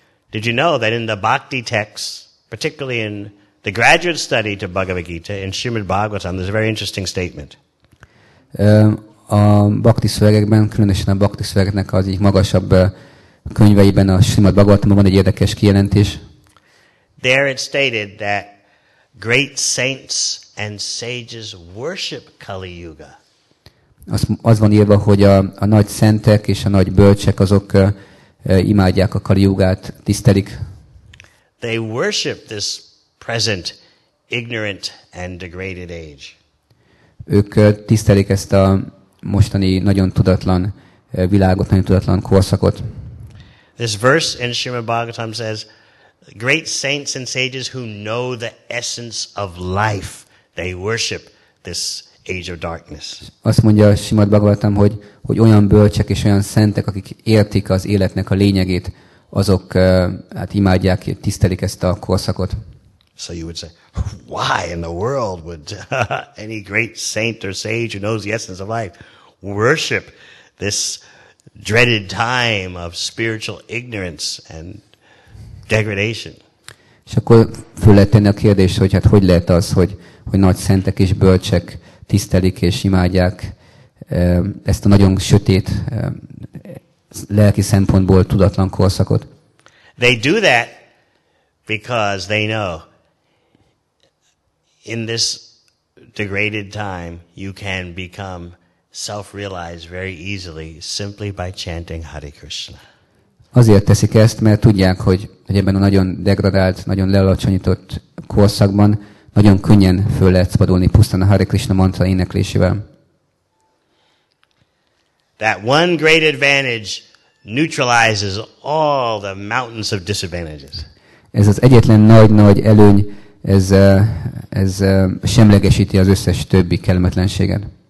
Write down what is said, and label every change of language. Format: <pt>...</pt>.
<en>Did you know that in the bhakti texts, particularly in the graduate study to Bhagavad Gita, in Srimad Bhagavatam, there's a very interesting statement.</en> <hu>A bhakti szövegekben, különösen a bhakti szövegeknek az egyik magasabb könyveiben, a Srimad Bhagavatamban van egy érdekes kijelentés.</hu> <en>There it stated that great saints and sages worship Kali Yuga.</en> <hu>Az van írva, hogy a nagy szentek és a nagy bölcsek azok imádják a Kali Yugát, tisztelik.</hu> <en>They worship this present ignorant and degraded age.</en> <hu>Ők tisztelik ezt a mostani nagyon tudatlan világot, nagyon tudatlan korszakot.</hu> <en>This verse in Srimad Bhagavatam says, great saints and sages who know the essence of life, they worship this age of darkness.</en> <hu>Azt mondja Simad Bhagavatam, hogy olyan bölcsek és olyan szentek, akik értik az életnek a lényegét, azok hát imádják, tisztelik ezt a korszakot.</hu> <en>So you would say, why in the world would any great saint or sage who knows the essence of life worship this dreaded time of spiritual ignorance and degradation?</en> <hu>És akkor föl lehet tenni a kérdést, hogy hát hogy lehet az, hogy nagy szentek és bölcsek tisztelik és imádják ezt a nagyon sötét lelki szempontból tudatlan korszakot.</hu> <en>They do that because they know in this degraded time you can become self-realized very easily simply by chanting Hare Krishna.</en> <hu>Azért teszik ezt, mert tudják, hogy ebben a nagyon degradált, nagyon lealacsonyított korszakban nagyon könnyen föl lehet szabadulni pusztán a Hare Krishna mantra éneklésével.</hu> <en>That one great advantage neutralizes all the mountains of disadvantages.</en> <hu>Ez az egyetlen nagy-nagy előny, ez semlegesíti az összes többi kellemetlenséget.</hu>